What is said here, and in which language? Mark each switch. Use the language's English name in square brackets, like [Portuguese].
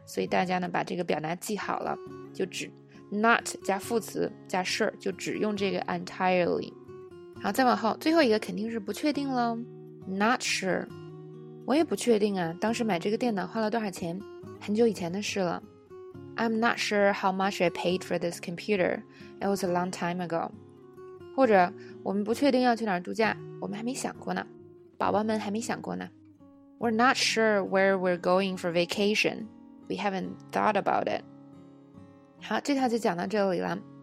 [Chinese] 所以大家呢，把这个表达记好了，就只 not 加副词加 sure， 就只用这个 entirely。好，再往后，最后一个肯定是不确定喽。 [English] Not sure， [Chinese] 我也不确定啊。当时买这个电脑花了多少钱？很久以前的事了。 [English] I'm not sure how much I paid for this computer. It was a long time ago. [Chinese] 或者我们不确定要去哪儿度假，我们还没想过呢。宝宝们还没想过呢。 [English] We're not sure where we're going for vacation. We haven't thought about it. [Chinese] 好，这条就讲到这里了。